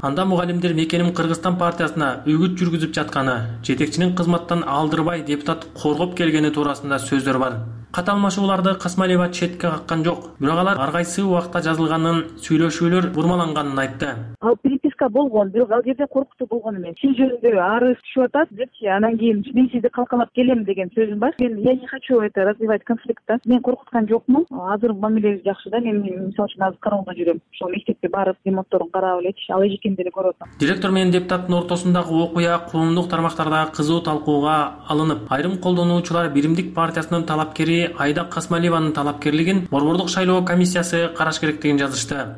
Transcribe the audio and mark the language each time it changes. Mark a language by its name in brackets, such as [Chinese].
[Kyrgyz] Анда мугалимдер Мекеним Кыргызстан партиясына үгүт жүргүзүп жатканы, жетекчинин кызматтан алдырбай депутат коргоп келгени туурасында сөздөр бар. Каталмашууларды Касмалиева четке каккан жок, бирок алар ар кайсы убакта жазылганын, сүйлөшүүлөр бурмаланганын айтты. Ал приписка болгон, бирок ал жерде коркутуу болгон эмес. Сиз жөнүндө арыз түшүп атат депчи, анан кийин мен сизди калкалап келем деген сөзүм бар. [Russian] Мен я не хочу это развивать конфликт, да. [Kyrgyz] Мен коркуткан жокмун. Азыр мамилеңиз жакшы да, мен мисалы үчүн азыр кармоодо жүрөм. Ошол мектепке барып ремонтторун карап эле иш, ал эжекендери көрүп атам. Директор менен депутаттын ортосундагы окуя коомдук тармактарда кызуу талкууга алынып, айрым колдонуучулар Биримдик партиясынын талапкери Айда Касмалиеванын талапкерлигин борбордук шайлоо комиссиясы караш керектигин жазышты.